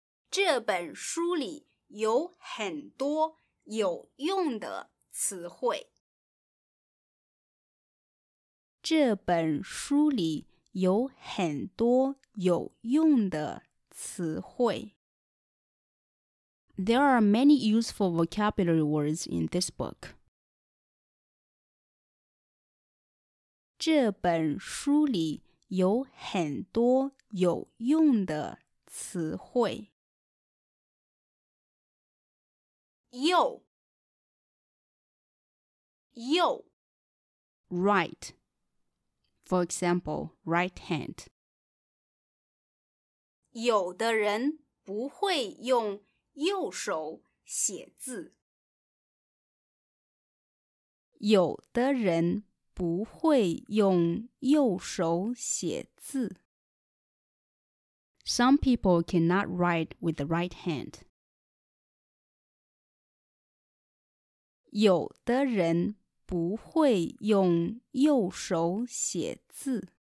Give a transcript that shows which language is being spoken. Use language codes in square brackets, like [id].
[zh] 这本书里有很多有用的词汇。这本书里有很多有用的词汇。 [en] There are many useful vocabulary words in this book. [zh] 这本书里有很多有用的词汇。又右 [en] Right. For example, right hand. [zh] 有的人不会用右手写字。有的人不会用右手写字。 [en] Some people cannot write with the right hand. [zh] 有的人不会用右手写字。